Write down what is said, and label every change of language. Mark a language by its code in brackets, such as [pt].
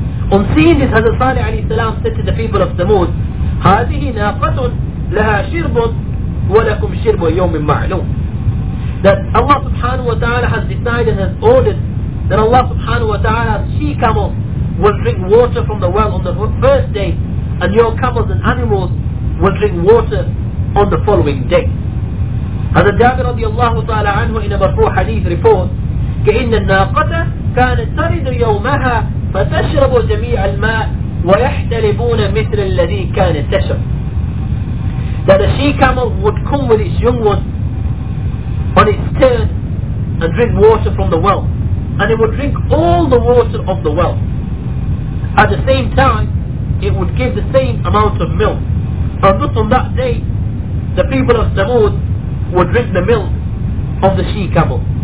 [en] On seeing this, Hazrat Salih alayhi salam said to the people of Thamud, [ar] هذه ناقة لها شرب ولكم شرب يوم معلوم. [en] That Allah subhanahu wa ta'ala has decided and has ordered that Allah subhanahu wa ta'ala's she-camel will drink water from the well on the first day, and your camels and animals will drink water on the following day. Hazrat Jabir radiallahu ta'ala anhu in a marfu hadith reports, [ar] كَإِنَّ النَّاقَةَ كَانَتْ تَرِدُ يَوْمَهَا فَتَشْرَبُ جَمِيعَ الْمَاءِ وَيَحْتَلِبُونَ مِثْلَ الَّذِي كَانَتْ تَشْرَبُ. [en] That a she-camel would come with its young one on its turn and drink water from the well, and it would drink all the water of the well. At the same time, it would give the same amount of milk. And thus on that day, the people of Thamud would drink the milk of the she-camel.